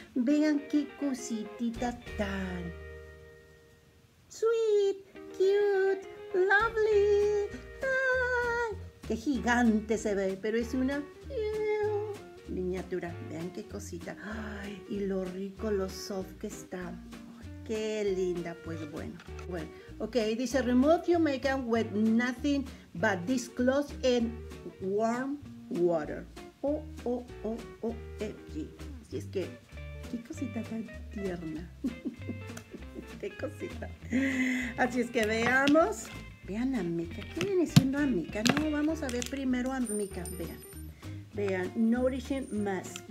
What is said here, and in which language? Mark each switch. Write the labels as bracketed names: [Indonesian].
[Spanish] Vean qué cositita tan [English] sweet, cute, lovely. [Spanish] Ay, qué gigante se ve, pero es una miniatura. Vean qué cosita. Ay, y lo rico, lo [English] soft [Spanish] que está. Qué linda, pues bueno. [English] Ok, [Spanish] dice, [English] remove your makeup with nothing but this cloth and warm water. OMG. [Spanish] Así es que, qué cosita tan tierna. Qué cosita. Así es que veamos. Vean a Mika. ¿Qué viene siendo a Mika? No, vamos a ver primero a Mika. Vean. [English] Nourishing Mask.